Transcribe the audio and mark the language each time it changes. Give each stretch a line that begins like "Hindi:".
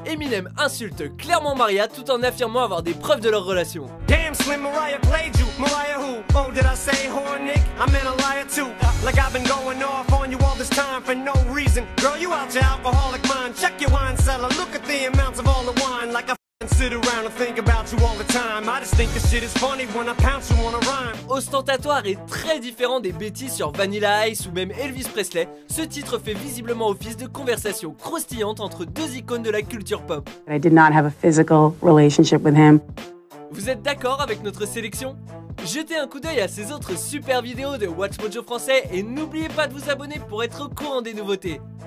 French: Eminem insulte clairement Mariah tout en affirmant avoir des preuves de leur relation.
English: Damn, Slim, Mariah played you. Mariah who? Oh, did I say whore, Nick? I meant a liar too. Like I've been going off on you all this time for no reason. Girl, you out your alcoholic mind. Check your wine cellar. Look at the amounts of all the wine. Like a sit around and think about you all the time. I just think this shit is funny when I pounce you on a rhyme.
French: Ostentatoire est très différent des bêtises sur Vanilla Ice ou même Elvis Presley. Ce titre fait visiblement office de conversation croustillante entre deux icônes de la culture pop.
English: I did not have a physical relationship with him.
French: Vous êtes d'accord avec notre sélection? Jetez un coup d'œil à ces autres super vidéos de WatchMojo français et n'oubliez pas de vous abonner pour être au courant des nouveautés.